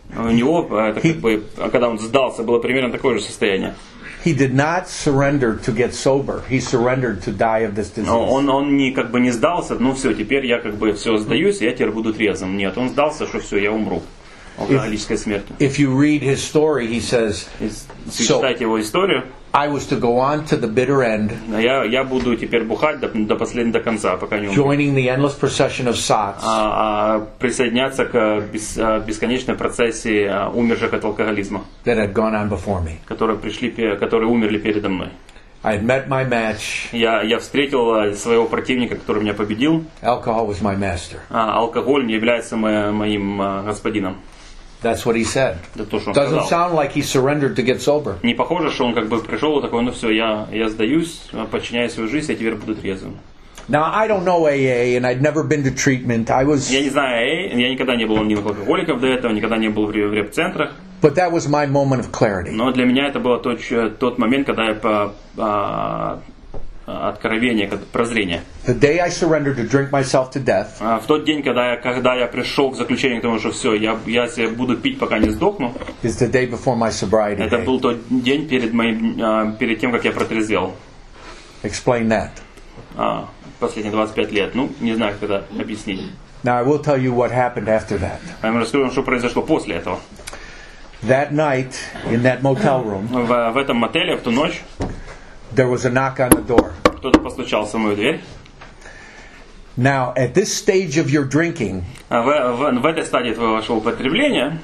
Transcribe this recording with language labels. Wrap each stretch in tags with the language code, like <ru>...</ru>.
<ru>У него, когда он сдался, было примерно такое же состояние.</ru> <en>He did not surrender to get sober. He surrendered to die of this disease.</en> <ru>Он не как бы не сдался, ну все, теперь я как бы все сдаюсь, я теперь буду трезвым. Нет, он сдался, что все, я умру.</ru> <en>If you read his story, he says, so I was to go on to the bitter end.</en> <ru>Я буду теперь бухать до последнего до конца, пока не умру.</ru> <en>Joining the endless procession of sots.</en> <ru>Присоединяться к бесконечной процессии умерших от алкоголизма.</ru> <en>That had gone on before me.</en> <ru>Которые умерли передо мной.</ru> <en>I had met my match.</en> <ru>Я встретил своего противника, который меня победил.</ru> <en>Alcohol was my master.</en> <ru>Алкоголь не является моим господином.</ru> <en>That's what he said. Doesn't sound like he surrendered to get sober.</en> <ru>Не похоже, что он как бы пришел и такой, ну все, я сдаюсь, подчиняю свою жизнь, я теперь буду трезвым.</ru> <en>Now I don't know AA, and I'd never been to treatment. I was.</en> <ru>Я не знаю AA, я никогда не был ни в алкоголиков до этого, никогда не был в реабцентрах.</ru> <en>But that was my moment of clarity.</en> <ru>Но для меня это было тот момент, когда я откровение, прозрение.</ru> <en>The day I surrendered to drink myself to death.</en> <ru>В тот день, когда я пришел к заключению, потому что все, я себе буду пить, пока не сдохну.</ru> <en>Is the day before my sobriety.</en> <ru>Это был тот день перед тем, как я протрезвел.</ru> <en>Explain that.</en> <ru>Последние 25 лет. Ну, не знаю, когда объяснили.</ru> <en>Now I will tell you what happened after that.</en> <ru>Я вам расскажу, что произошло после этого.</ru> <en>That night in that motel room.</en> <ru>В этом мотеле в ту ночь.</ru> <en>There was a knock on the door.</en> <ru>Кто-то постучался в мою дверь.</ru> <en>Now at this stage of your drinking.</en> <ru>В этой стадии твоего употребления.</ru>